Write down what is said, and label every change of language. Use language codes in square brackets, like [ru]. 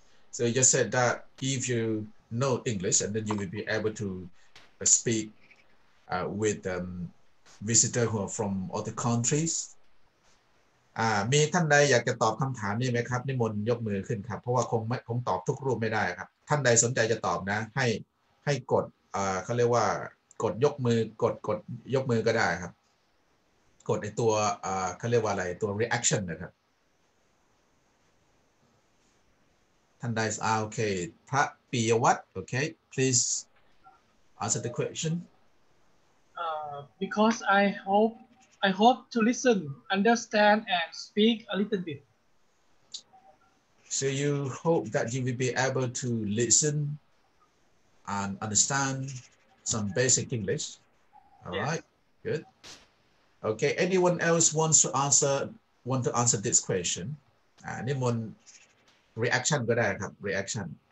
[en] So you just said that if you know English and then you will be able to speak with visitors who are from other countries. [th] มีท่านใดอยากจะตอบคำถามนี้ไหมครับนิมนต์ยกมือขึ้นครับเพราะว่าคงตอบทุกรูปไม่ได้ครับท่านใดสนใจจะตอบนะให้กดเขาเรียกว่ากดยกมือก็ได้ครับกดในตัวเขาเรียกว่าอะไรตัว reaction นะครับท่านใดโอเคพระปิยวัฒน์โอเค [en] please answer the question because I hope to listen, understand, and speak a little bit. So you hope that you will be able to listen and understand some basic English. All right, good. Okay, anyone else want to answer this question? Anyone reaction [th] ก็ได้ครับ [en] reaction.